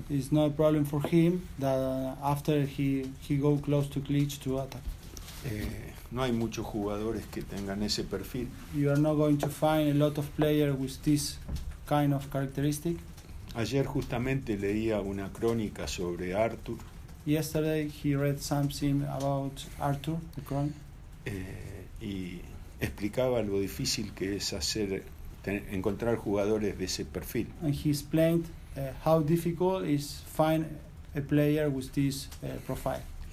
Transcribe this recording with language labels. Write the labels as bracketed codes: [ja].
[en] It's not a problem for him that after he go close to Klitsch to attack. [es] No hay muchos jugadores que tengan ese perfil. [en] You are not going to find a lot of players with this kind of characteristic. [es] Ayer justamente leía una crónica sobre Arthur. [en] Yesterday he read something about Arthur, the crónica. [es] Y explicaba lo difícil que es hacer encontrar jugadores de ese perfil. [en] And he explained how difficult it is to find a player with this profile.